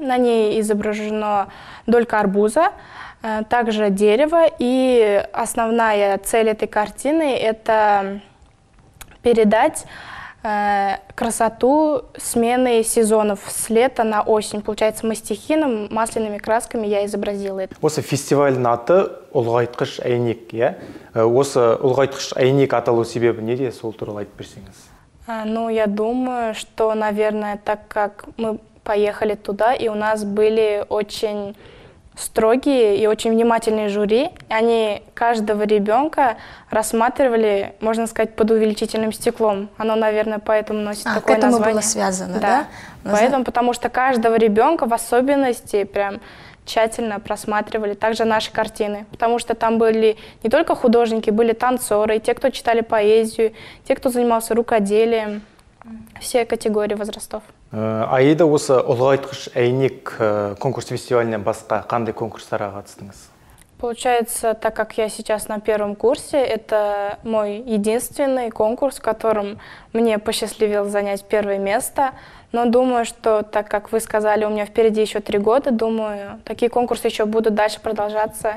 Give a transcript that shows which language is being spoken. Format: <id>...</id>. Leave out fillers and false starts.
<ru>На ней изображена долька арбуза, также дерево. И основная цель этой картины – это передать красоту смены сезонов с лета на осень. Получается, мастихином, масляными красками я изобразила это.</ru> <kk>Осы фестиваль наты «Улғайтқыш әйнек», я? Осы «Улғайтқыш әйнек» аталу себебі неде, сол туралы айтып берсеңіз?</kk> <ru>Ну, я думаю, что, наверное, так как мы поехали туда, и у нас были очень строгие и очень внимательные жюри, они каждого ребенка рассматривали, можно сказать, под увеличительным стеклом. Оно, наверное, поэтому носит такое название. А, к этому было связано, да? Да. Поэтому, потому что каждого ребенка в особенности прям тщательно просматривали, также наши картины, потому что там были не только художники, были танцоры, те, кто читали поэзию, те, кто занимался рукоделием, все категории возрастов.</ru> <kk>Аида, осы «Улғайтқыш әйнек» конкурс фестивалінен басқа қандай конкурстарға қатыстыңыз?</kk> <ru>Получается, так как я сейчас на первом курсе, это мой единственный конкурс, в котором мне посчастливилось занять первое место. Но думаю, что, так как вы сказали, у меня впереди еще 3 года, думаю, такие конкурсы еще будут дальше продолжаться.</ru>